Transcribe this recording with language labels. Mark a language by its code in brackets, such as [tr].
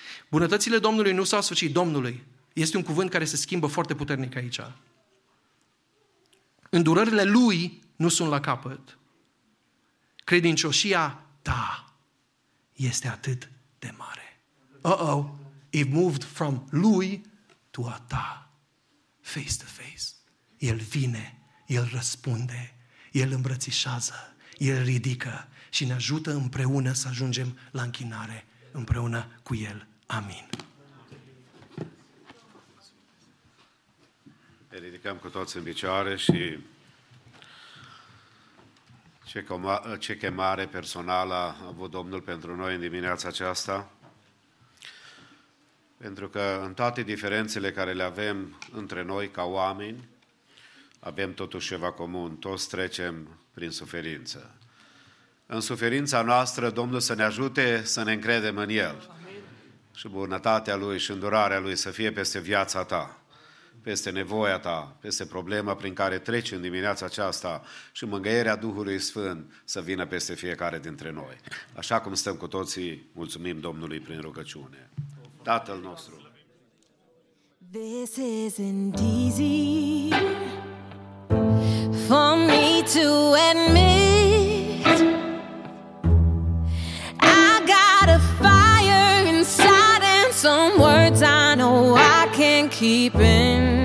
[ro] Bunătățile Domnului nu s-au sfârșit. Domnului este un cuvânt care se schimbă foarte puternic aici. Îndurările lui nu sunt la capăt. Credincioșia, da, este atât de mare. [en] It moved from lui to a ta, face to face. [ro] El vine, el răspunde, el îmbrățișează, el ridică și ne ajută împreună să ajungem la închinare împreună cu el. Amin. Ne ridicăm cu toți în picioare și... Ce chemare personală a avut Domnul pentru noi în dimineața aceasta? Pentru că în toate diferențele care le avem între noi ca oameni, avem totuși ceva comun, toți trecem prin suferință. În suferința noastră, Domnul să ne ajute să ne încredem în El. Amin. Și bunătatea Lui și îndurarea Lui să fie peste viața ta. peste nevoia ta, peste problema prin care treci în dimineața aceasta și mângâierea Duhului Sfânt să vină peste fiecare dintre noi. Așa cum stăm cu toții, mulțumim Domnului prin rugăciune. Tatăl nostru. [en] This isn't easy for me to admit. I got a fire inside and some words I know I can't keep in.